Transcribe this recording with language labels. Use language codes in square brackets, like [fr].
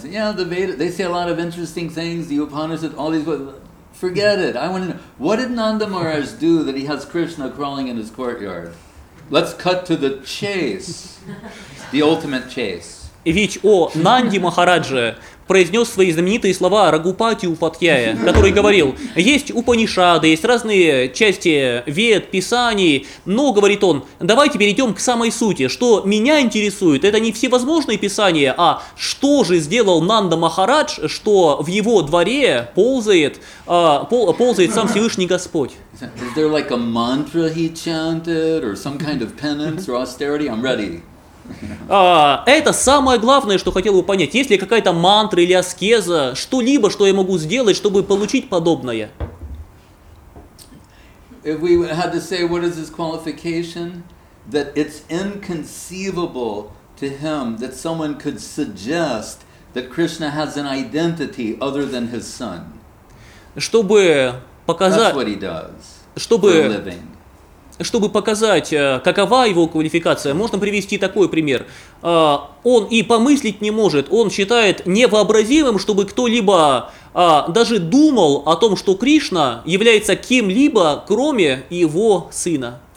[en] Yeah, the Veda, they say a lot of interesting things. The Upanishad, all these books. Forget it. I want to know. What did Nanda Maharaj do that he has Krishna crawling in his courtyard? Let's cut to the chase. The ultimate chase. [ru] Ведь о Нанде Махарадже произнес свои знаменитые слова Рагупати Упадхьяя, который говорил: есть Упанишады, есть разные части Вед, Писаний, но, говорит он, давайте перейдем к самой сути. Что меня интересует, это не всевозможные писания, а что же сделал Нанда Махарадж, что в его дворе ползает сам Всевышний Господь. Это самое главное, что хотел бы понять. Есть ли какая-то мантра или аскеза, что-либо, что я могу сделать, чтобы получить подобное? [en] If we had to say, what is his qualification, that it's inconceivable to him that someone could suggest that Krishna has an identity other than his son. [ru] Чтобы показать. [en] That's what he does. [ru] Чтобы. [en] For a living. [ru] Чтобы показать, какова его квалификация, можно привести такой пример. Он и помыслить не может, он считает невообразимым, чтобы кто-либо даже думал о том, что Кришна является кем-либо, кроме его сына.